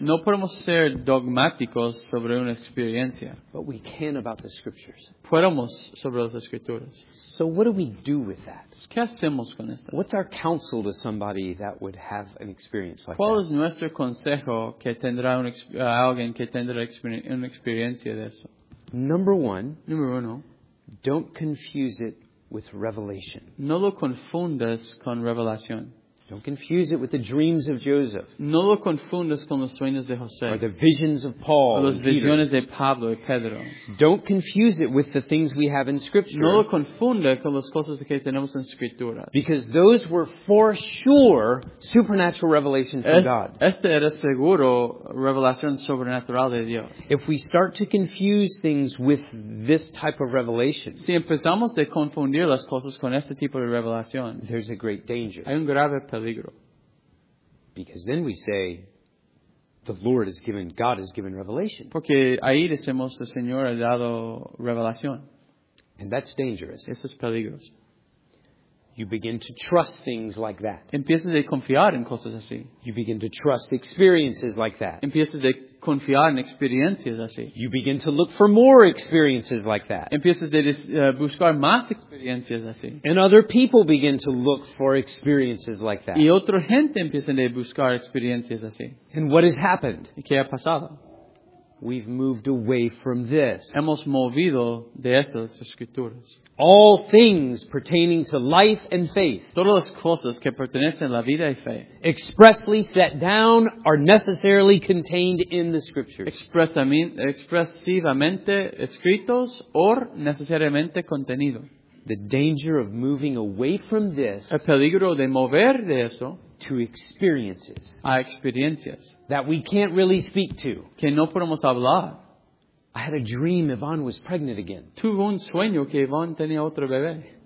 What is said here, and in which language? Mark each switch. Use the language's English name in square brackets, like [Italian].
[Spanish] No podemos ser dogmáticos sobre una experiencia. [English] But we can about the Scriptures. [Spanish] Podemos sobre las Escrituras. [English] So what do we do with that? [Spanish] ¿Qué hacemos con esto? [English] What's our counsel to somebody that would have an experience like [Spanish] ¿Cuál [English] that? [Spanish] ¿Cuál es nuestro consejo que tendrá un, alguien que tendrá una experiencia de eso? [English] Number one. Don't confuse it with revelation. [Spanish] No lo confundas con revelación. [English] Don't confuse it with the dreams of Joseph. [Spanish] No lo confundas con los sueños de José. [English] Or the visions of Paul. [Spanish] O las visiones de Pablo y Pedro. [English] Don't confuse it with the things we have in Scripture. [Spanish] No lo confunda con las cosas que tenemos en Escritura. [English] Because those were for sure supernatural revelation from God. [Spanish] Este era seguro revelación sobrenatural de Dios. [English] If we start to confuse things with this type of revelation, [Spanish] si empezamos de confundir las cosas con este tipo de revelación, [English] there's a great danger. [Spanish] Hay un grave peligro. [English] Because then we say, the Lord has given, God has given revelation. [Spanish] Porque ahí decimos, el Señor ha dado revelación. [English] And that's dangerous. [Spanish] Eso es peligroso. [English] You begin to trust things like that. [Spanish] Empiezas a confiar en cosas así. [English] You begin to trust experiences like that. [Spanish] Empiezas a confiar en experiencias así. [English] You begin to look for more experiences like that. [Spanish] Empiezas a buscar más experiencias así. [English] And other people begin to look for experiences like that. [Spanish] Y otra gente empieza a buscar experiencias así. [English] And what has happened? [Spanish] ¿Y qué ha pasado? [English] We've moved away from this. [Spanish] Hemos movido de estas escrituras. [English] All things pertaining to life and faith. [Spanish] Todas las cosas que pertenecen a la vida y fe. [English] Expressly set down are necessarily contained in the Scriptures. [Spanish] Expresivamente escritos o necesariamente contenidos. [English] The danger of moving away from this. [Spanish] El peligro de mover de eso. [English] To experiences. [Spanish] A experiencias. [English] That we can't really speak to. [Spanish] Que no podemos hablar. [English] I had a dream Yvonne was pregnant again. [Spanish] Tuvo un sueño que Yvonne tenía otro bebé.